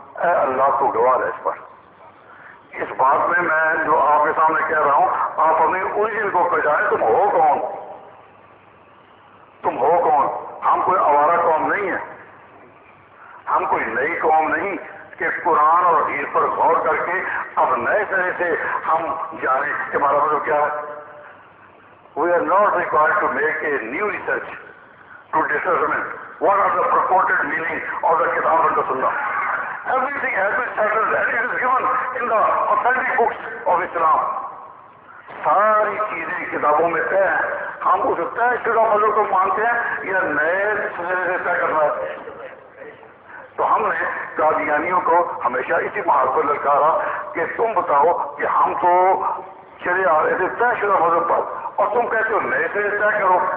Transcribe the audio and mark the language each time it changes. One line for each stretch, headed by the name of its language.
Urdu: اے اللہ کو گواہ ہے اس پر. اس بات میں میں جو آپ کے سامنے کہہ رہا ہوں، آپ اپنی اوریجن کو کجائیں. تم ہو کون؟ تم ہو کون؟ ہم کوئی آوارہ قوم نہیں ہے، ہم کوئی نئی قوم نہیں کہ قرآن اور حدیث پر غور کر کے اب نئے سرے سے ہم جانیں کہ ہمارا مطلب کیا ہے.
English: We are not required to make a new research to determine what are the purported meaning of the Kitab and the Sunnah. Everything has been settled and it is given in the authentic books of Islam.
Urdu: ساری چیزیں کتابوں میں طے ہیں. ہم اس طے شدہ مذہب کو مانتے ہیں یا نئے سرے سے طے کرنا ہے؟ تو ہم نے قادیانیوں کو ہمیشہ اسی محل پر للکارا کہ تم بتاؤ کہ ہم تو چلے آ رہے تھے طے شدہ مذہب پر، اور تم کہتے ہو نئے سرے سے طے کرو.